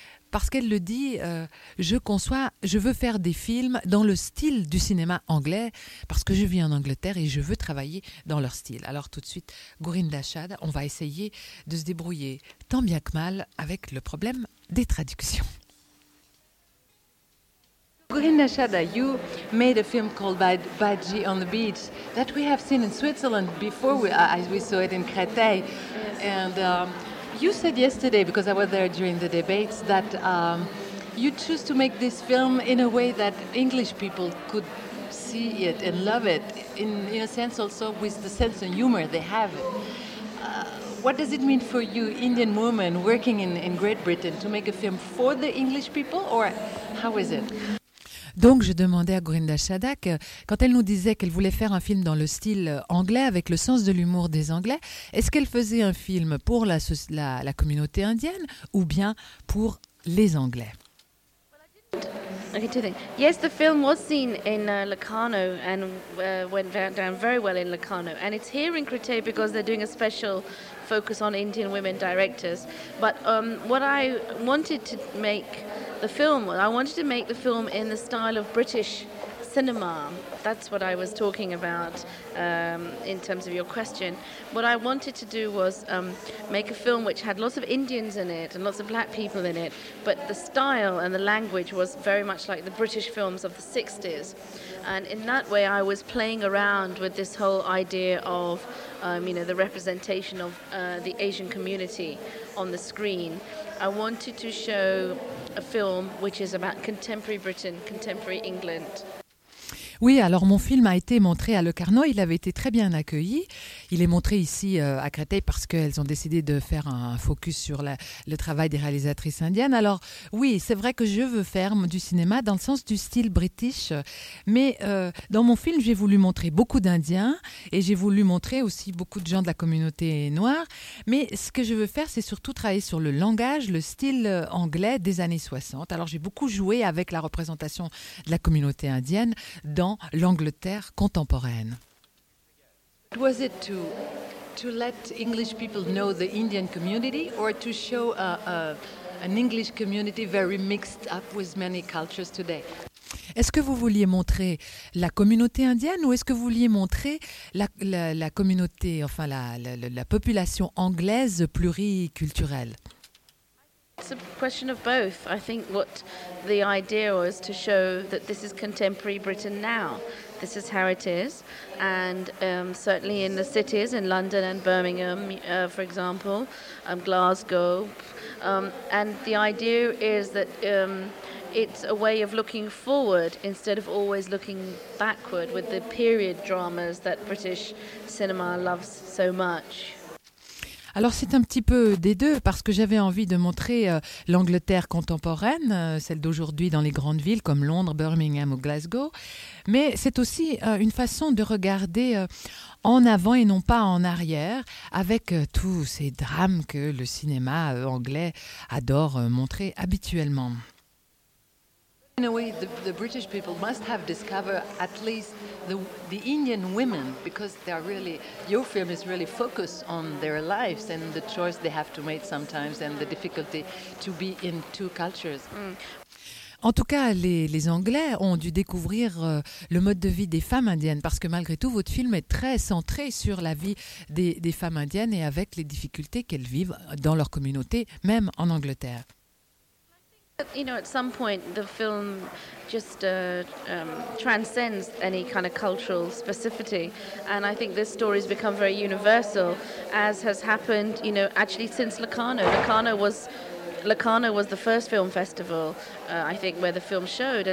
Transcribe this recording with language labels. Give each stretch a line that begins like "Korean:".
French: Parce qu'elle le dit, je veux faire des films dans le style du cinéma anglais parce que je vis en Angleterre et je veux travailler dans leur style. Alors tout de suite, Gourinda Chad, on va essayer de se débrouiller tant bien que mal avec le problème des traductions.
English: Gourinda Chad, you made a film called Badji on the Beach that we have seen in Switzerland before we saw it in Créteil. Yes. You said yesterday, because I was there during the debates, that you choose to make this film in a way that English people could see it and love it, in a sense also with the sense of humor they have. What does it mean for you, Indian woman, working in Great Britain, to make a film for the English people, or how is it?
French: Donc, je demandais à Gourinda Chad, quand elle nous disait qu'elle voulait faire un film dans le style anglais, avec le sens de l'humour des Anglais, est-ce qu'elle faisait un film pour la communauté indienne ou bien pour les Anglais?
English: Okay, two things. Yes, the film was seen in Locarno and went down very well in Locarno. And it's here in Créteil because they're doing a special focus on Indian women directors. But what I wanted to make the film, I wanted to make the film in the style of British cinema. That's what I was talking about in terms of your question. What I wanted to do was make a film which had lots of Indians in it and lots of black people in it, but the style and the language was very much like the British films of the 60s. And in that way, I was playing around with this whole idea of the representation of the Asian community on the screen. I wanted to show a film which is about contemporary Britain, contemporary England.
French: Oui, alors mon film a été montré à Locarno, il avait été très bien accueilli. Il est montré ici à Créteil parce qu'elles ont décidé de faire un focus sur le travail des réalisatrices indiennes. Alors oui, c'est vrai que je veux faire du cinéma dans le sens du style british, mais dans mon film, j'ai voulu montrer beaucoup d'Indiens et j'ai voulu montrer aussi beaucoup de gens de la communauté noire. Mais ce que je veux faire, c'est surtout travailler sur le langage, le style anglais des années 60. Alors j'ai beaucoup joué avec la représentation de la communauté indienne dans l'Angleterre contemporaine.
English: Was it to let English people know the Indian community or to show an English community very mixed up with many cultures today?
French: Est-ce que vous vouliez montrer la communauté indienne ou est-ce que vous vouliez montrer la communauté, enfin la population anglaise pluriculturelle?
English: It's a question of both. I think what the idea was to show that this is contemporary Britain now. This is how it is. And certainly in the cities, in London and Birmingham, for example, Glasgow. And the idea is that it's a way of looking forward instead of always looking backward with the period dramas that British cinema loves so much.
French: Alors c'est un petit peu des deux, parce que j'avais envie de montrer l'Angleterre contemporaine, celle d'aujourd'hui dans les grandes villes comme Londres, Birmingham ou Glasgow. Mais c'est aussi une façon de regarder en avant et non pas en arrière, avec tous ces drames que le cinéma anglais adore montrer habituellement.
English: In a way, the British people must have discovered at least the Indian women, because they are really, your film is really focused on their lives and the choice they have to make sometimes and the difficulty to be in two cultures. Mm.
French: En tout cas, les Anglais ont dû découvrir le mode de vie des femmes indiennes, parce que malgré tout, votre film est très centré sur la vie des femmes indiennes et avec les difficultés qu'elles vivent dans leur communauté, même en Angleterre.
English: You know, at some point, the film just transcends any kind of cultural specificity. And I think this story has become very universal, as has happened, you know, actually since Locarno. Locarno was the first film festival, I think, where the film showed.